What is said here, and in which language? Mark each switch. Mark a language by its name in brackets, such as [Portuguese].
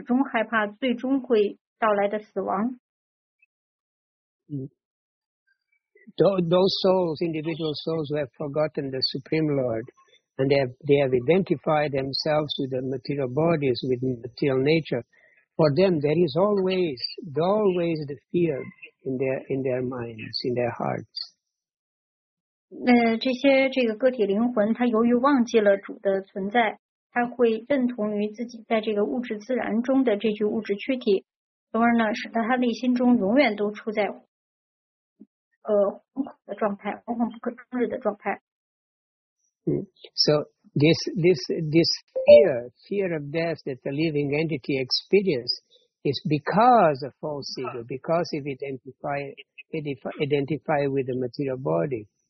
[Chinese] 因为就是由于有时间的这个存在呢，使得人们其实始终都是处在恐慌的状态，因为他始终害怕最终会到来的死亡。 [English] Those souls, individual souls who have forgotten the Supreme Lord, and they have identified themselves with the material bodies, with material nature. For them, there is always the fear in their minds, in their hearts. [Chinese] 这些个体灵魂，他由于忘记了主的存在，他会认同于自己在这个物质自然中的这句物质躯体，从而呢，使得他内心中永远都处在惶恐的状态，惶恐不可终日的状态。 [English] So this fear of death that the living entity experiences is because of false ego, because it identify with the material body.